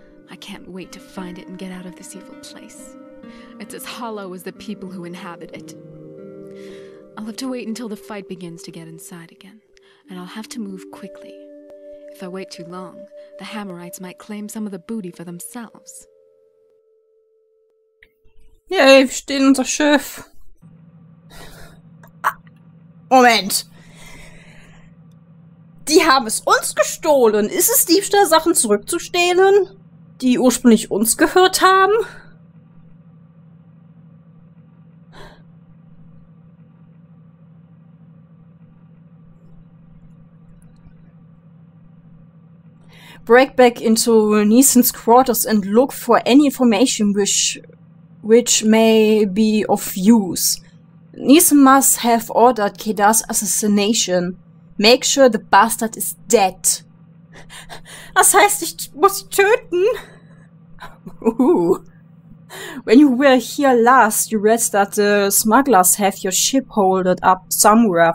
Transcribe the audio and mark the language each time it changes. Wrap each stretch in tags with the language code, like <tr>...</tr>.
<en>I can't wait to find it and get out of this evil place. It's as hollow as the people who inhabit it. I'll have to wait until the fight begins to get inside again, and I'll have to move quickly. If I wait too long, the Hammerites might claim some of the booty for themselves.</en> <de>Yay, wir stehen unser Schiff. Moment. Die haben es uns gestohlen. Ist es Diebstahl, Sachen zurückzustehlen, die ursprünglich uns gehört haben?</de> <en>Break back into Neeson's quarters and look for any information which may be of use. Neeson must have ordered Kedar's assassination. Make sure the bastard is dead.</en> <de>Das heißt, ich muss ihn töten.</de> <en>When you were here last, you read that the smugglers have your ship holded up somewhere.</en>